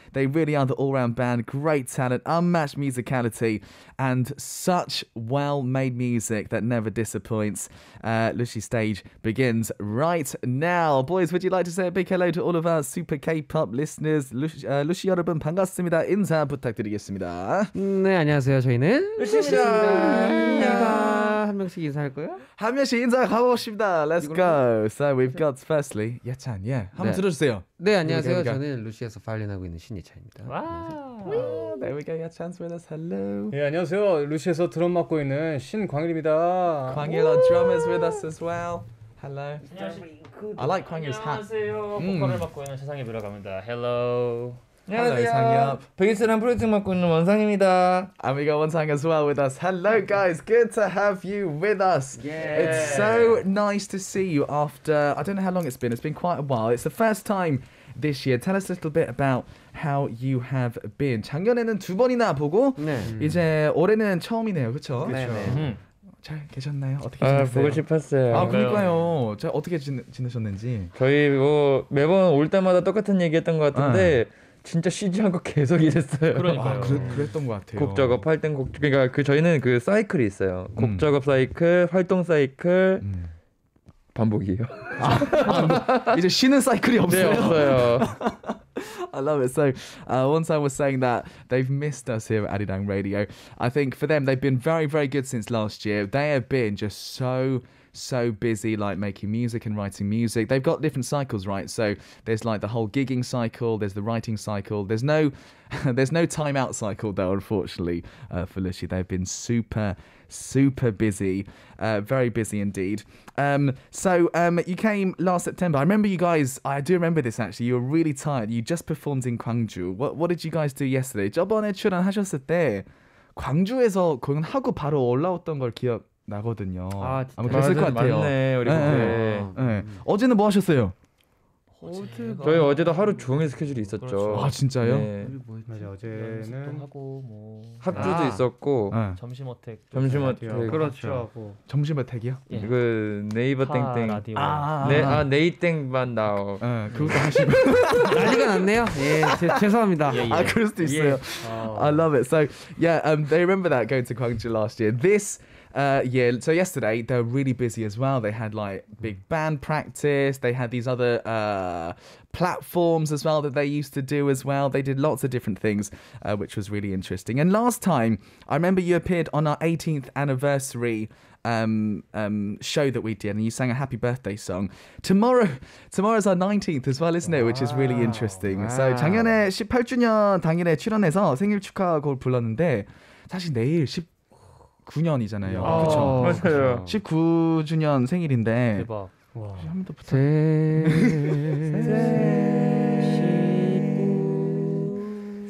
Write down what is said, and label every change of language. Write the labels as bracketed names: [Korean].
[English] They really are the all-round band, great talent, unmatched musicality, and such well-made music that never disappoints. Lushi Stage begins right now. Boys, would you like to say a big hello to all of our Super K-pop listeners? [Korean] Lushi 여러분, 반갑습니다. 인사 부탁드리겠습니다. 네, 안녕하세요. 저희는 Lushi 씨입니다. 한 명씩 인사할 거예요? 한 명씩 인사 가보겠습니다. [English] Let's go. So we've got firstly, 예찬. Yeah. [Korean] 한번 네. 들어주세요. 네, 안녕하세요. 저는 루시에서 바이올린하고 있는 신예찬입니다. [English] 와우. There we go. Yeah, with us. Hello. [Korean] 예, 안녕하세요. 루시에서 드럼 맡고 있는 신광일입니다. [English] 광일 on drum is with us as well. Hello. [Korean] 안녕하세요. [English] I like Kwangil's hat. [Korean] 안녕하세요. 보컬을 맡고 있는 세상에 들어갑니다. [English] Hello. [Korean] 안녕하세요. 베이스랑 프로젝트 맡고 있는 원상입니다. [English] And we got Wonsang as well with us. Hello, guys. Good to have you with us. Yeah. It's so nice to see you after, I don't know how long it's been. It's been quite a while. It's the first time this year. Tell us a little bit about how you have been. [Korean] 작년에는 두 번이나 보고, 네. 이제 올해는 처음이네요, 그쵸? 네, 그쵸. 네. 잘 계셨나요? 어떻게 지내셨어요? 보고 싶었어요. 아, 그러니까요. 네. 어떻게 지내셨는지. 저희 뭐 매번 올 때마다 똑같은 얘기했던 것 같은데, 진짜 쉬지 않고 계속 일했어요. 그러니까 아, 그랬던 것 같아요. 곡 작업할 땐 곡 그러니까 그 저희는 그 사이클이 있어요. 곡 작업 사이클, 활동 사이클, 반복이에요. 아, 이제 쉬는 사이클이 없어요. 네, 없어요. [English] I love it. So, Wonsang was saying that they've missed us here at Arirang Radio. I think for them, they've been very, very good since last year. They have been just so busy, like making music and writing music. They've got different cycles, right? So there's like the whole gigging cycle, there's the writing cycle, there's no time out cycle though, unfortunately, for Lushi. They've been super busy, very busy indeed. So you came last September. I remember you guys, I do remember this actually, you were really tired. You just performed in Gwangju. What did you guys do yesterday? [Korean] 저번에 출연하셨을 때 광주에서 공연하고 바로 올라왔던 걸 기억 나거든요. 아, 진짜. 아마 그랬을 것 같아요. 맞네, 우리 네, 네. 네. 어제는 뭐 하셨어요? 어제가 저희 어제도 하루 종일 스케줄이 있었죠. 그렇죠. 아, 진짜요? 네. 뭐 맞아, 어제는 하고 뭐 합주도 있었고 네. 점심 어택. 점심 어택. 그렇죠. 하고. 점심 어택이요? 예. 그 네이버 땡땡. 라디오. 아, 네이 땡만 나오. 예. 그것도 하시고. 난리가 났네요. 예. 죄송합니다. 예, 예. 아, 그럴 수도 있어요. 예. [English] I love it. So, yeah, they remember that going to Gwangju last year. This yeah, so yesterday they were really busy as well. They had like big band practice. They had these other platforms as well that they used to do as well. They did lots of different things, which was really interesting. And last time, I remember you appeared on our 18th anniversary show that we did, and you sang a happy birthday song. Tomorrow's our 19th as well, isn't it? Which is really interesting. Wow. [Korean] So 작년에 18주년 당일에 출연해서 생일 축하 곡을 불렀는데 사실 내일 19년이잖아요. 아, 그렇죠. 19주년 생일인데. 대박. 와. 한 번 더 부탁드립니다.